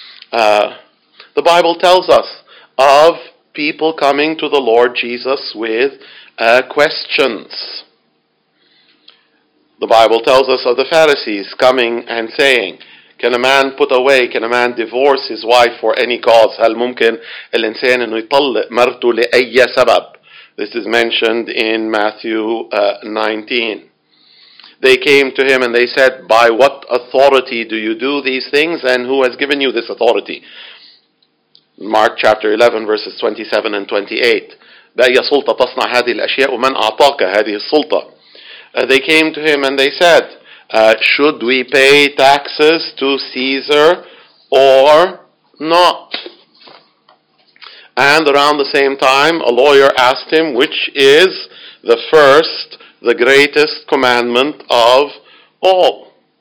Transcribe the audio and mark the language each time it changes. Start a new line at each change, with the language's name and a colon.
English: The Bible tells us of people coming to the Lord Jesus with questions. The Bible tells us of the Pharisees coming and saying, can a man put away, can a man divorce his wife for any cause?
Arabic: هل ممكن الإنسان أن يطلق مرته لأي سبب?
English: This is mentioned in Matthew 19. They came to him and they said, by what authority do you do these things and who has given you this authority? Mark chapter 11 verses 27 and 28.
Arabic: بأي سلطة تصنع هذه الأشياء ومن أعطاك هذه السلطة?
English: They came to him and they said, should we pay taxes to Caesar or not? And around the same time, a lawyer asked him, which is the first, the greatest commandment of all?